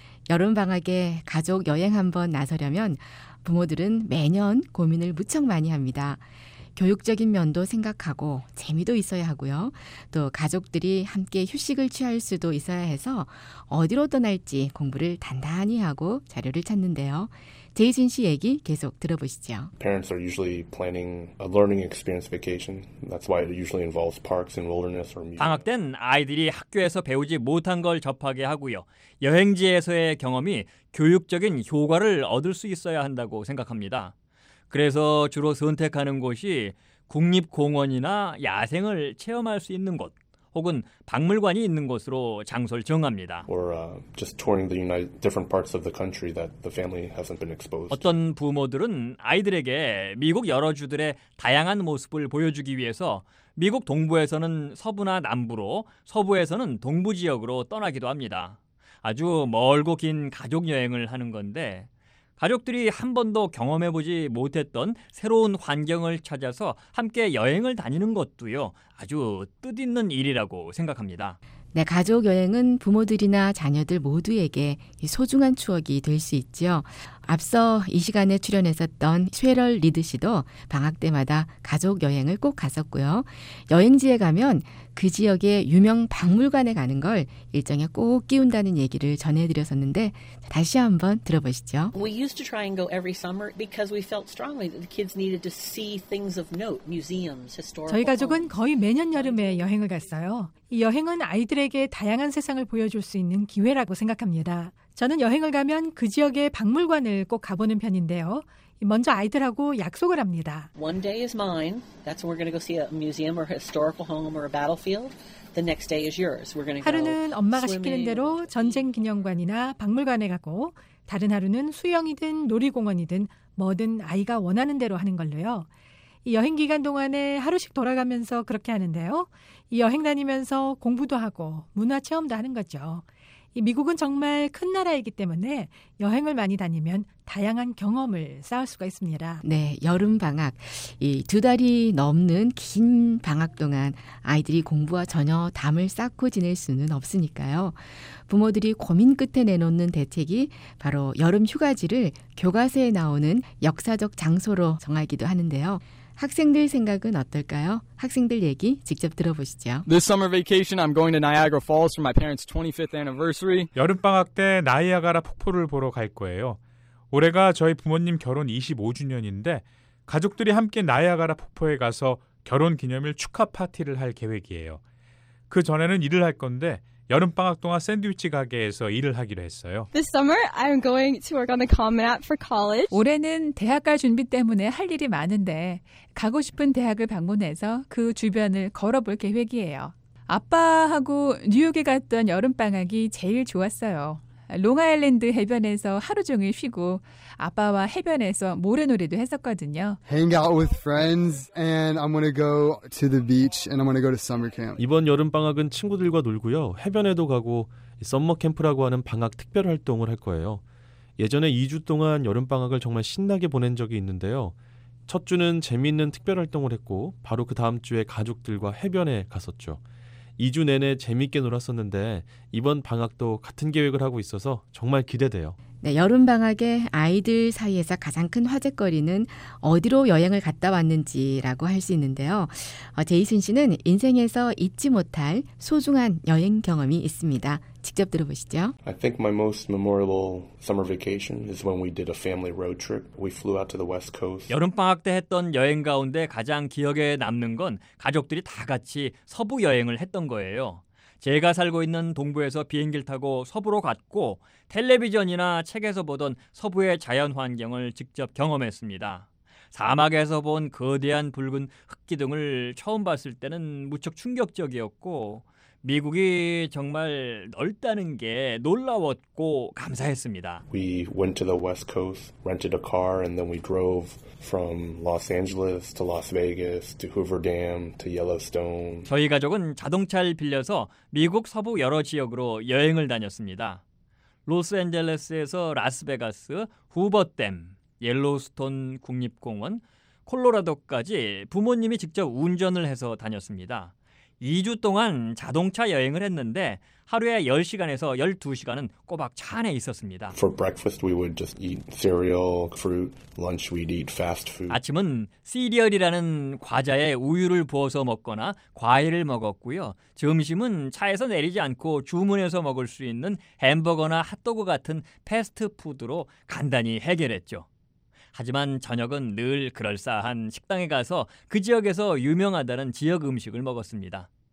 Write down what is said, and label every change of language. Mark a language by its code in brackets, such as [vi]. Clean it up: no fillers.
[ko] 여름방학에 가족 여행 한번 나서려면 부모들은 매년 고민을 무척 많이 합니다. 교육적인 면도 생각하고 재미도 있어야 하고요. 또 가족들이 함께 휴식을 취할 수도 있어야 해서 어디로 떠날지 공부를 단단히 하고 자료를 찾는데요. 제이슨 씨 얘기 계속 들어보시죠. [en] Parents are usually planning a learning experience vacation. That's why it usually involves parks and wilderness or museums. [ko] 방학 때는 아이들이 학교에서 배우지 못한 걸 접하게 하고요. 여행지에서의 경험이 교육적인 효과를 얻을 수 있어야 한다고 생각합니다. 그래서 주로 선택하는 곳이 국립공원이나 야생을 체험할 수 있는 곳 혹은 박물관이 있는 곳으로 장소를 정합니다. [en] Or just touring the United, different parts of the country that the family hasn't been exposed. [ko] 어떤 부모들은 아이들에게 미국 여러 주들의 다양한 모습을 보여주기 위해서 미국 동부에서는 서부나 남부로, 서부에서는 동부 지역으로 떠나기도 합니다. 아주 멀고 긴 가족 여행을 하는 건데 가족들이 한 번도 경험해보지 못했던 새로운 환경을 찾아서 함께 여행을 다니는 것도요. 아주 뜻있는 일이라고 생각합니다. 네, 가족 여행은 부모들이나 자녀들 모두에게 소중한 추억이 될 수 있죠. 앞서 이 시간에 출연했었던 쉐럴 리드 씨도 방학 때마다 가족 여행을 꼭 갔었고요. 여행지에 가면 그 지역의 유명 박물관에 가는 걸 일정에 꼭 끼운다는 얘기를 전해드렸었는데 다시 한번 들어보시죠. [en] We used to try and go every summer because we felt strongly that the kids needed to see things of note, museums, historical. [ko] 저희 가족은 거의 매년 여름에 여행을 갔어요. 이 여행은 아이들에게 다양한 세상을 보여줄 수 있는 기회라고 생각합니다. 저는 여행을 가면 그 지역의 박물관을 꼭 가보는 편인데요. 먼저 아이들하고 약속을 합니다. [en] One day is mine. That's where we're going to go see a museum or a historical home or a battlefield. The next day is yours. We're going to go. [ko] 하루는 엄마가 시키는 대로 전쟁 기념관이나 박물관에 가고 다른 하루는 수영이든 놀이공원이든 뭐든 아이가 원하는 대로 하는 걸로요. 이 여행 기간 동안에 하루씩 돌아가면서 그렇게 하는데요. 이 여행 다니면서 공부도 하고 문화 체험도 하는 거죠. 이 미국은 정말 큰 나라이기 때문에 여행을 많이 다니면 다양한 경험을 쌓을 수가 있습니다. 네, 여름 방학. 이 두 달이 넘는 긴 방학 동안 아이들이 공부와 전혀 담을 쌓고 지낼 수는 없으니까요. 부모들이 고민 끝에 내놓는 대책이 바로 여름 휴가지를 교과서에 나오는 역사적 장소로 정하기도 하는데요. 학생들 생각은 어떨까요? 학생들 얘기 직접 들어보시죠. [en] This summer vacation I'm going to Niagara Falls for my parents' 25th anniversary. [ko] 여름방학 때 나이아가라 폭포를 보러 갈 거예요. 올해가 저희 부모님 결혼 25주년인데 가족들이 함께 나이아가라 폭포에 가서 결혼 기념일 축하 파티를 할 계획이에요. 그 전에는 일을 할 건데 여름방학 동안 샌드위치 가게에서 일을 하기로 했어요. [en] This summer I'm going to work on the Common App for college. [ko] 올해는 대학 갈 준비 때문에 할 일이 많은데 가고 싶은 대학을 방문해서 그 주변을 걸어볼 계획이에요. 아빠하고 뉴욕에 갔던 여름방학이 제일 좋았어요. 롱아일랜드 해변에서 하루 종일 쉬고 아빠와 해변에서 모래놀이도 했었거든요. [en] Hang out with friends and I'm going to go to the beach and I'm going to go to summer camp. [ko] 이번 여름 방학은 친구들과 놀고요. 해변에도 가고 썸머 캠프라고 하는 방학 특별 활동을 할 거예요. 예전에 2주 동안 여름 방학을 정말 신나게 보낸 적이 있는데요. 첫 주는 재미있는 특별 활동을 했고 바로 그 다음 주에 가족들과 해변에 갔었죠. 2주 내내 재밌게 놀았었는데 이번 방학도 같은 계획을 하고 있어서 정말 기대돼요. 네, 여름 방학에 아이들 사이에서 가장 큰 화제거리는 어디로 여행을 갔다 왔는지라고 할 수 있는데요. 제이슨 씨는 인생에서 잊지 못할 소중한 여행 경험이 있습니다. 직접 들어보시죠. [en] I think my most memorable summer vacation is when we did a family road trip. We flew out to the west coast. [ko] 여름 방학 때 했던 여행 가운데 가장 기억에 남는 건 가족들이 다 같이 서부 여행을 했던 거예요. 제가 살고 있는 동부에서 비행기를 타고 서부로 갔고 텔레비전이나 책에서 보던 서부의 자연 환경을 직접 경험했습니다. 사막에서 본 거대한 붉은 흙기둥을 처음 봤을 때는 무척 충격적이었고 미국이 정말 넓다는 게 놀라웠고 감사했습니다. [en] We went to the West Coast, rented a car, and then we drove from Los Angeles to Las Vegas to Hoover Dam to Yellowstone. [ko] 저희 가족은 자동차를 빌려서 미국 서부 여러 지역으로 여행을 다녔습니다. 로스앤젤레스에서 라스베가스, 후버댐, 옐로스톤 국립공원, 콜로라도까지 부모님이 직접 운전을 해서 다녔습니다. 2주 동안 자동차 여행을 했는데 하루에 10시간에서 12시간은 꼬박 차 안에 있었습니다. [en] For breakfast we would just eat cereal, fruit. Lunch we'd eat fast food. [ko] 아침은 시리얼이라는 과자에 우유를 부어서 먹거나 과일을 먹었고요. 점심은 차에서 내리지 않고 주문해서 먹을 수 있는 햄버거나 핫도그 같은 패스트푸드로 간단히 해결했죠. 하지만 저녁은 늘 그럴싸한 식당에 가서 그 지역에서 유명하다는 지역 음식을 먹었습니다.